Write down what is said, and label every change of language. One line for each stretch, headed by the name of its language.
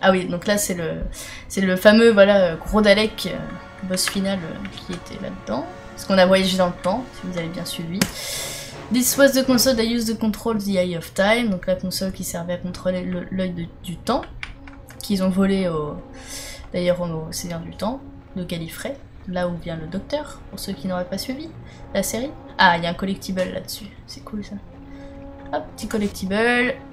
French: Ah oui, donc là, c'est le fameux, voilà, gros Dalek, boss final, qui était là-dedans. Parce qu'on a voyagé dans le temps, si vous avez bien suivi.
English: This was the console that used to control the Eye of Time.
French: Donc la console qui servait à contrôler l'œil du temps. Qu'ils ont volé, d'ailleurs, au Seigneur du Temps, de Gallifrey. Là où vient le Docteur, pour ceux qui n'auraient pas suivi la série. Ah, il y a un collectible là-dessus. C'est cool, ça. Hop, petit collectible.